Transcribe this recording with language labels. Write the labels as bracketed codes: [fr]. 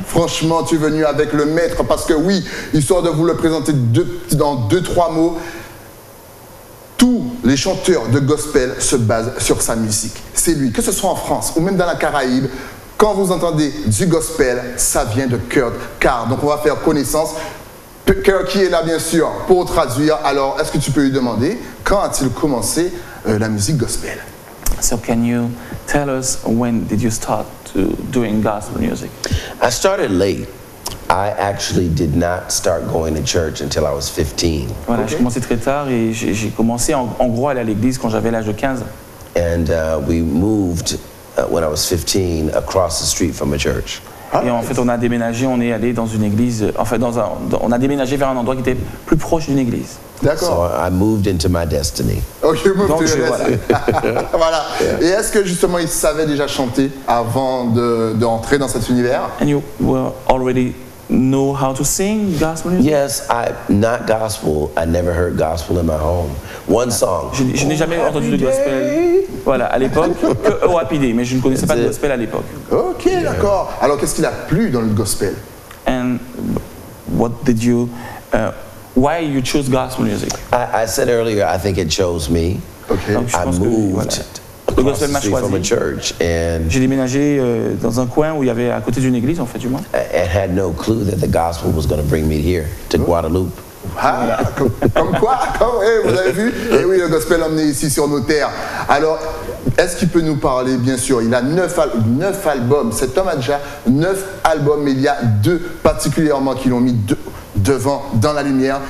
[fr] Franchement, tu es venu avec le maître parce que oui, histoire de vous le présenter dans deux, trois mots, tous les chanteurs de gospel se basent sur sa musique. C'est lui, que ce soit en France ou même dans la Caraïbe. Quand vous entendez du gospel, ça vient de Kurt Carr. Donc on va faire connaissance. Kurt qui est là, bien sûr, pour traduire. Alors, est-ce que tu peux lui demander quand a-t-il commencé la musique gospel? [en] So can you tell us when did you start to doing gospel music? I started late. I actually did not start going to church until I was 15. [fr] Voilà, okay. J'ai commencé très tard et j'ai commencé en gros à aller à l'église quand j'avais l'âge de 15. [en] And we moved when I was 15, across the street from a church. [fr] Et en fait, on a déménagé, on est allé dans une église, enfin, on a déménagé vers un endroit qui était plus proche d'une église. D'accord. [en] So I moved into my destiny. Ok, you moved into your destiny. [fr] Voilà. [en] Yeah. [fr] Et est-ce que justement, il savait déjà chanter avant de rentrer dans cet univers? [en] And you were already know how to sing gospel music? Yes, not gospel. I never heard gospel in my home. One song. [fr] Je n'ai jamais entendu de gospel. Voilà, à l'époque, que Happy Day, mais je ne connaissais pas de gospel à l'époque. Ok, yeah. D'accord. Alors, qu'est-ce qu'il a plu dans le gospel? [en] And what did you... why you chose gospel music? I said earlier, I think it chose me. Okay. [fr] Donc, [en] I moved [fr] le gospel m'a choisi. [en] From a church, and [fr] j'ai déménagé dans un coin où il y avait à côté d'une église, en fait, du moins. [en] And had no clue that the gospel was going to bring me here, to Guadeloupe. [fr] Comme quoi, vous avez vu? Eh oui, le gospel l'a emmené ici sur nos terres. Alors, est-ce qu'il peut nous parler, bien sûr? Il a neuf albums. Cet homme a déjà neuf albums, mais il y a deux particulièrement qui l'ont mis devant, dans la lumière.